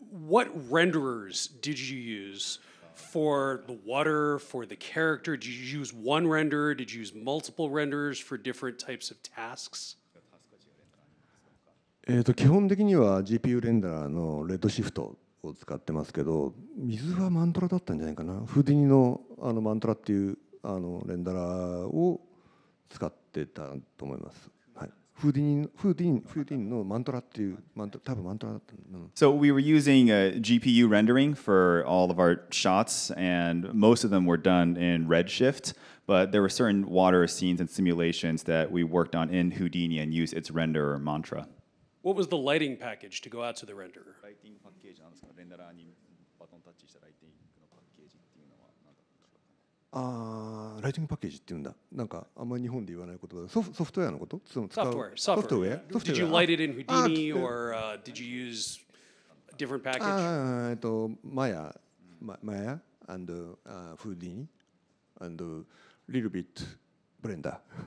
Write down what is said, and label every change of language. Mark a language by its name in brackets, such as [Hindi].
[English] What renderers did you use for the water, for the character? Did you use one renderer? Did you use multiple renderers for different types of tasks? [Japanese] 基本的には GPU レンダーのレッドシフトを使ってますけど、水はマントラだったんじゃないかな。フーディニの、マントラっていうレンダラーを使ってたと思います。 [English] So we were using GPU rendering for all of our shots, and most of them were done in Redshift, but there were certain water scenes and simulations that we worked on in Houdini and used its renderer mantra. What was the lighting package to go out to the renderer? [Japanese] Lighting package, なんですか?Renderer にバトンタッチしたライティングのパッケージっていうのは何だライティングパッケージっていうんだ。なんかあんまり日本で言わない言葉だ。ソフトウェアのこと？その使う。ソフトウェア。 [English] Did you light it in Houdini or did you use a different package? Maya and Houdini and a little bit Blender.